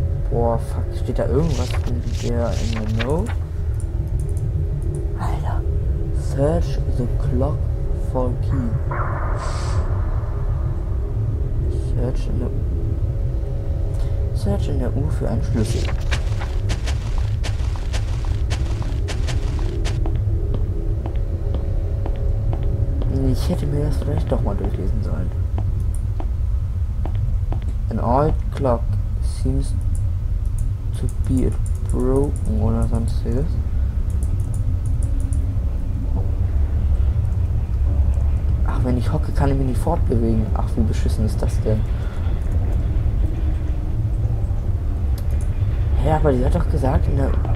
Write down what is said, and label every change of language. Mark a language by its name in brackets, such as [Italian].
[German] Boah, fuck, steht da irgendwas in der Note? [English] Alter, search the clock for key. [German] Search in der Uhr für einen Schlüssel. Ich hätte mir das vielleicht doch mal durchlesen sollen. [English] An old clock seems to be a broken one or something. [German] Ach, wenn ich hocke, kann ich mich nicht fortbewegen. Ach, wie beschissen ist das denn? Hä, Ja, aber sie hat doch gesagt, ne.